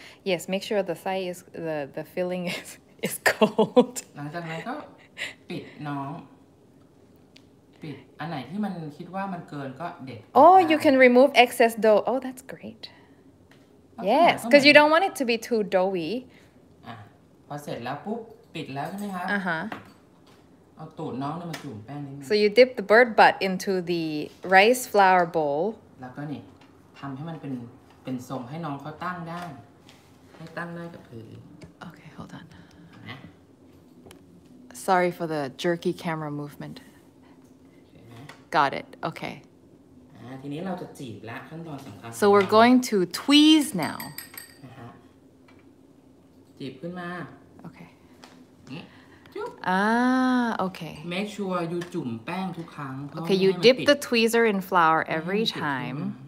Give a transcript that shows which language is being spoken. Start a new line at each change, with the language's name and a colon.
English: Yes, make sure the thigh is the filling is cold.
Thai: หลังจากนั้นก็ปิดน้องปิดอันไหนที่มันคิดว่ามันเกินก็เด็ด
English: Oh, you can remove excess dough. Oh, that's great. Yes, because you don't want it to be too doughy.
Thai: พอเสร็จแล้วปุ๊บปิดแล้วใช่ไหมคะ เอาตูดน้องเนี่ยมาจุ่มแป้งนิดนึง
English: So you dip the bird butt into the rice flour bowl.
Thai: แล้วก็นี่ทำให้มันเป็นทรงให้น้องเขาตั้งได้ให้ตั้งได้กับพื้น
English: Okay, hold on. Sorry for the jerky camera movement. Got it. Okay.
Thai: ทีนี้เราจะจีบละขั้นตอนสำคัญ
English: So we're going to tweeze now.
Thai: จีบขึ้นมา
English: Okay.
Thai: จุ๊บ
English: Okay. Make sure you
Thai: จุ่มแป้งทุกครั้ง
English: Okay, you dip the tweezer in flour every time.